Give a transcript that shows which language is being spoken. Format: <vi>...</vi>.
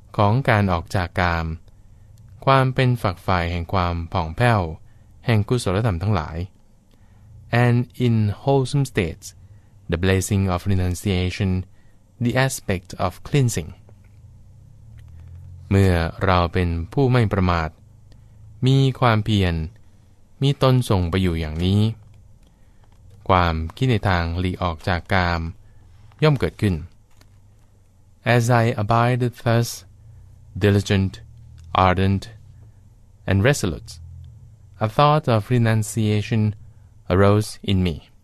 <th>ได้เห็นอนิสงส์ของการออกจากกาม ความเป็นฝักใฝ่แห่งความผ่องแผ้วแห่งกุศลธรรมทั้งหลาย</th> <en>And in wholesome states, the blessing of renunciation, the aspect of cleansing.</en> <th>เมื่อเราเป็นผู้ไม่ประมาทมีความเพียรมีตนส่งไปอยู่อย่างนี้ ความคิดในทางหลีกออกจากกามย่อมเกิดขึ้น</th> <en>As I abide thus, diligent, ardent, and resolute, a thought of renunciation arose in me.</en>